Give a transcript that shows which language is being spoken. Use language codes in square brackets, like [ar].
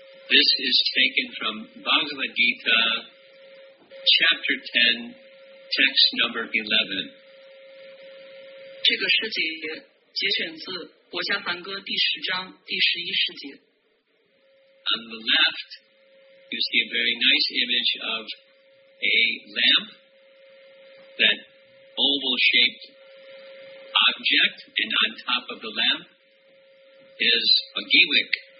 [en] This is taken from Bhagavad Gita, chapter 10, text number 11. [zh] 这个诗节节选自《国家梵歌》第10章第11节. [en] On the left. You see a very nice image of a lamp, that oval-shaped object, and on top of the lamp is a giwik.